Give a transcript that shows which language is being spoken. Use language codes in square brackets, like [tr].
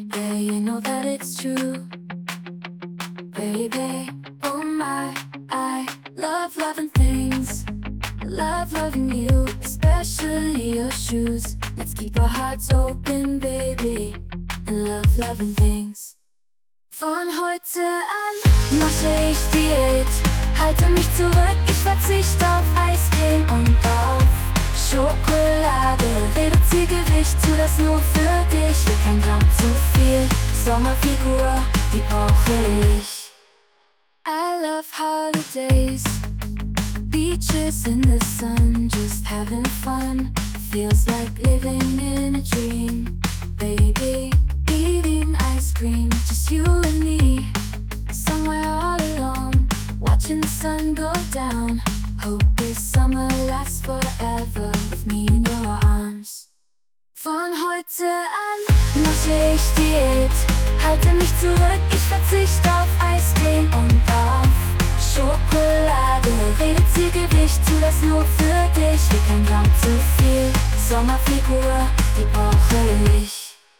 [en] Yeah, you know that it's true. Baby, oh my, I love loving things. Love loving you, especially your shoes. Let's keep our hearts open, baby, and love loving things. [de] Von heute an mache ich Diät. Halte mich zurück, ich verzichte auf Eiscreme und auf Schokolade. Reduzier Gewicht, tu das nur für dich. Will kein Gramm zu viel. Sommerfigur, die brauche ich. [en] I love holidays. Beaches in the sun, just having fun. Feels like living in a dream. Baby, eating ice cream, just you and me. Somewhere all alone, watching the sun go down. Hope this summer lasts forever with me in your arms. [de] Von heute an mache ich Diät. Halte mich zurück, ich verzichte auf Eiscreme und auf Schokolade. Reduzier Gewicht, tu das nur für dich. Will kein Gramm zu viel. Sommerfigur, die brauche ich.